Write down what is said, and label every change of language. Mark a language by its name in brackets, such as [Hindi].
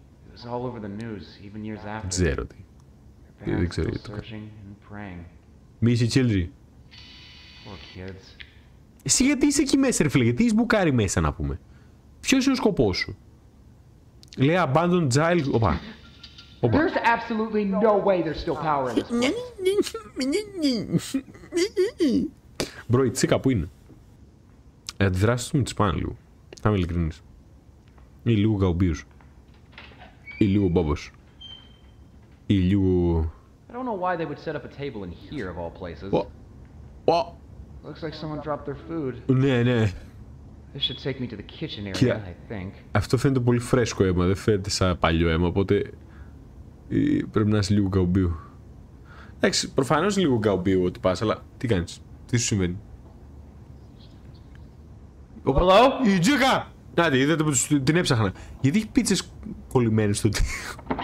[Greek] Δεν ξέρω τι. Δεν ξέρω γιατί το κάνουν. [English] Miss you, children. [Greek] Εσύ γιατί είσαι εκεί μέσα, ρε φίλε, γιατί είσαι μπουκάρι μέσα, να πούμε. Ποιος είναι ο σκοπός σου? Λέει, abandoned child... Οπα. [English] There's absolutely no way there's still power in this place. [Greek] Bro, η τσίκα που είναι? Αντιδράσεις μου τις πάνε λίγο. Θα είμαι ειλικρινής. Ή λίγο γαουμπίους. Ή λίγο μπάμπος. Ή λίγο... [English] I don't know why they would set up a table in here of all places. Looks like someone dropped their food. [Greek] Ναι, ναι. [English] This should take me to the kitchen area, I think. [Greek] Αυτό φαίνεται πολύ φρέσκο αίμα, δεν φαίνεται σαν παλιό αίμα, οπότε... Πρέπει να είσαι λίγο γκαουμπίου. Εντάξει, προφανώς λίγο γκαουμπίου ότι πας, αλλά τι κάνεις, τι σου συμβαίνει? [English] Hello? [Greek] Η τσίκα! Να τη, είδατε που την έψαχνα. Γιατί έχει πίτσες κολλημένες στο τείχο?